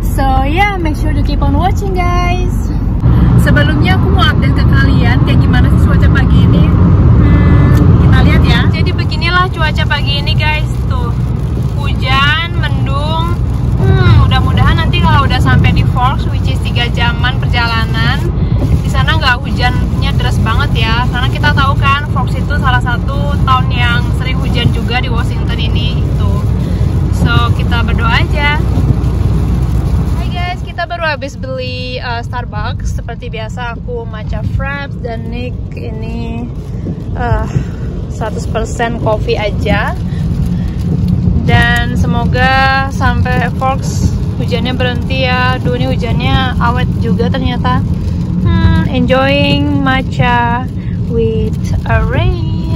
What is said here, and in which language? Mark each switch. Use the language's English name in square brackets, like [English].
[English] So yeah, make sure to keep on watching guys. [Indonesian] Sebelumnya aku mau update ke kalian kayak gimana sih cuaca pagi ini. Kita lihat ya. Jadi beginilah cuaca pagi ini guys. Tuh, hujan, mendung. Mudah-mudahan nanti kalau udah sampai di Forks, [English] which is [Indonesian] 3 jaman perjalanan, di sana nggak hujannya deras banget ya. Karena kita tahu kan Forks itu salah satu town yang sering hujan juga di Washington ini itu. So, kita berdoa aja. Hai guys, kita baru habis beli Starbucks. Seperti biasa aku matcha frappe dan Nick ini 100% coffee aja. Dan semoga sampai Forks hujannya berhenti ya. Duh, ini hujannya awet juga ternyata. [English] Enjoying matcha with a rain.